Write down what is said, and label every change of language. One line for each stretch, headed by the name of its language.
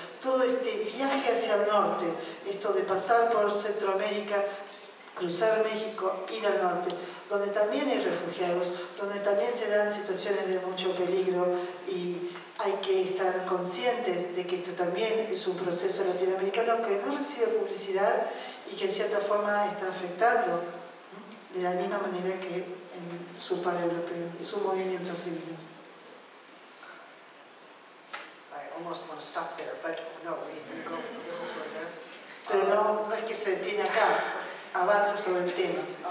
Spanish: Todo este viaje hacia el norte, esto de pasar por Centroamérica, cruzar México, ir al norte, donde también hay refugiados, donde también se dan situaciones de mucho peligro y hay que estar consciente de que esto también es un proceso latinoamericano que no recibe publicidad y que en cierta forma está afectando de la misma manera que en su par europeo, es un movimiento civil.
English: I almost want to stop there, but no, we can go a little further.
Spanish: Pero no es que se detiene acá, avanza sobre el tema.